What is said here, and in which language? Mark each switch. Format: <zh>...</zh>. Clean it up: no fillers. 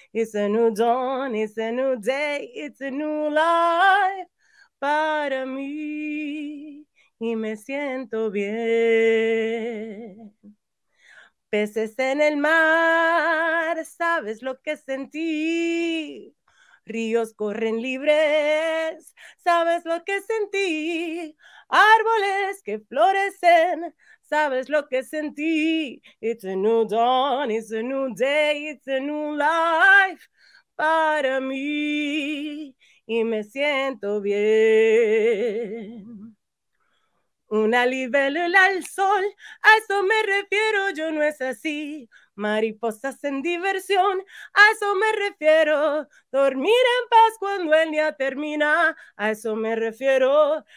<en>It's a new dawn, it's a new day, it's a new life</en> <es>para mí. Y me siento bien. Peces en el mar, sabes lo que sentí. Ríos corren libres, sabes lo que sentí. Árboles que florecen, sabes lo que sentí.</es> <en>It's a new dawn, it's a new day, it's a new life</en> <es>para mí. Y me siento bien. Una libélula al sol, a eso me refiero, yo no es así. Mariposas en diversión, a eso me refiero. Dormir en paz cuando el día termina, a eso me refiero.</es>